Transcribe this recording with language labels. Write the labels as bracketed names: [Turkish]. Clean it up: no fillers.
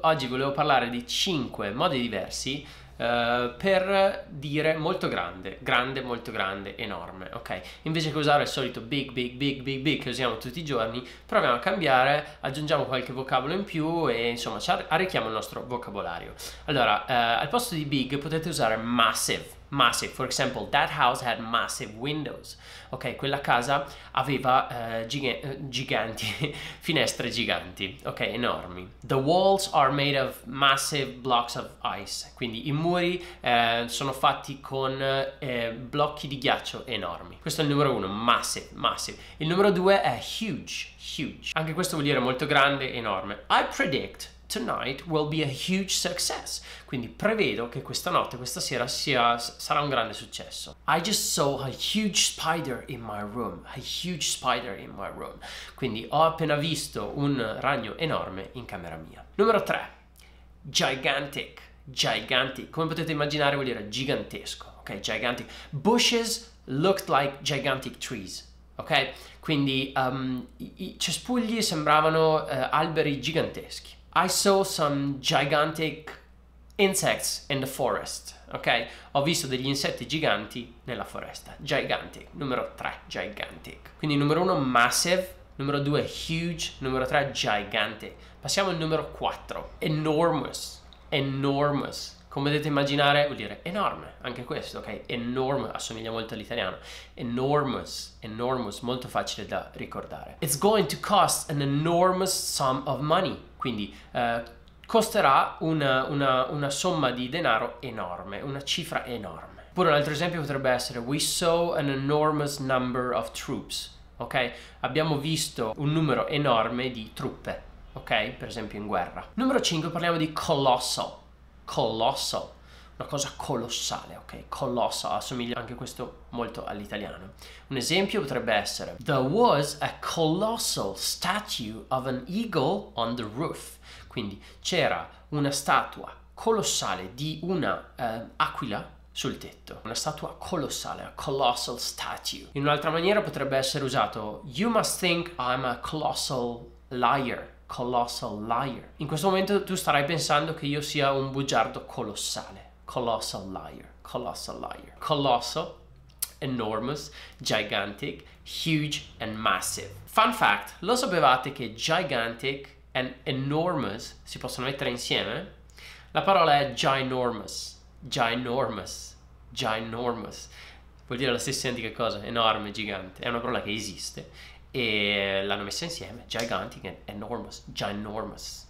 [Italian] Oggi volevo parlare di 5 modi diversi per dire molto grande, grande, molto grande, enorme, ok? Invece che usare il solito big, big, big, big, big che usiamo tutti i giorni, proviamo a cambiare, aggiungiamo qualche vocabolo in più e insomma ci arricchiamo il nostro vocabolario. Allora, al posto di big potete usare massive. [English] Massive, for example, that house had massive windows. [Italian] Ok, quella casa aveva giganti, finestre giganti, ok, enormi. [English] The walls are made of massive blocks of ice. [Italian] Quindi i muri sono fatti con blocchi di ghiaccio enormi. Questo è il numero uno, massive, massive. Il numero due è huge, huge. Anche questo vuol dire molto grande, enorme. [English] I predict tonight will be a huge success. [Italian] Quindi prevedo che questa notte, questa sera, sarà un grande successo. [English] I just saw a huge spider in my room. A huge spider in my room. [Italian] Quindi ho appena visto un ragno enorme in camera mia. Numero 3. Gigantic. Gigantic. Come potete immaginare, vuol dire gigantesco. [English] Ok, gigantic. Bushes looked like gigantic trees. Ok? [Italian] Quindi i cespugli sembravano alberi giganteschi. [English] I saw some gigantic insects in the forest, ok? [Italian] Ho visto degli insetti giganti nella foresta. Gigantic, numero 3, gigantic. Quindi numero 1, massive, numero 2, huge, numero 3, gigantic. Passiamo al numero 4, enormous, enormous. Come potete immaginare, vuol dire enorme, anche questo, ok? Enorme, assomiglia molto all'italiano. Enormous, enormous, molto facile da ricordare. [English] It's going to cost an enormous sum of money. [Italian] Quindi costerà una somma di denaro enorme, una cifra enorme. Oppure un altro esempio potrebbe essere: [English] We saw an enormous number of troops. Ok? [Italian] Abbiamo visto un numero enorme di truppe. Ok? Per esempio in guerra. Numero 5, parliamo di colossal. Colossal. Una cosa colossale, ok? Colossal, assomiglia anche questo molto all'italiano. Un esempio potrebbe essere: [English] There was a colossal statue of an eagle on the roof. [Italian] Quindi c'era una statua colossale di una aquila sul tetto. Una statua colossale, [English] a colossal statue. [Italian] In un'altra maniera potrebbe essere usato: [English] You must think I'm a colossal liar. [Italian] Colossal liar. In questo momento tu starai pensando che io sia un bugiardo colossale. [English] Colossal liar, colossal liar. Colossal, enormous, gigantic, huge and massive. [Italian] Fun fact, lo sapevate che gigantic and enormous si possono mettere insieme? La parola è ginormous, ginormous, ginormous. Vuol dire lo stesso identica cosa, enorme, gigante. È una parola che esiste. E l'hanno messa insieme, gigantic and enormous, ginormous.